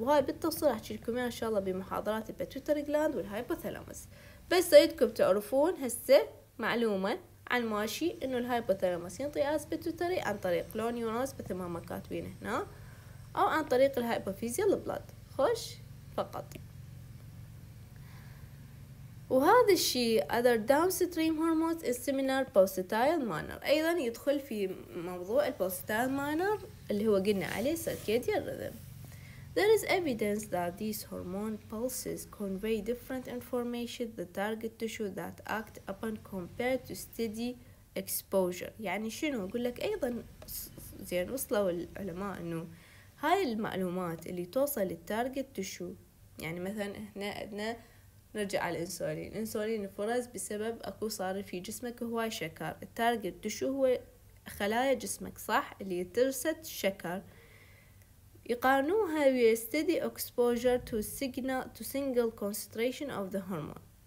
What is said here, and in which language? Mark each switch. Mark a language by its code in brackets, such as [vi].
[ar] وهاي بالتفصيل أحكي لكم إياها إن شاء الله بمحاضرات البيتوتري جلاند والهايبوثالاموس، بس أريدكم تعرفون هسه معلومة عن ماشي إنه الهايبوثالاموس ينطي أعصاب بيتوتري عن طريق لو نيورونز مثل ما هم كاتبين هنا، أو عن طريق الهايبوفيزيال بلاد. خوش فقط. وهذا الشيء [en] other downstream hormones in similar pulsatile manner، [ar] أيضا يدخل في موضوع [en] pulsatile manner [ar] اللي هو قلنا عليه [en] circadian rhythm. There is evidence that these hormone pulses convey different information the target tissue that act upon compared to steady exposure. [ar] يعني شنو أقول لك؟ أيضا زين وصلوا العلماء أنه هاي المعلومات اللي توصل للtarget tissue، يعني مثلا إحنا عندنا نرجع على الانسولين، الانسولين فرز بسبب اكو صار في جسمك هواي شكر. التارجت تشو هو خلايا جسمك صح اللي ترسد شكر، يقارنوها ويا [en] Steady exposure to signal to single concentration of the hormone.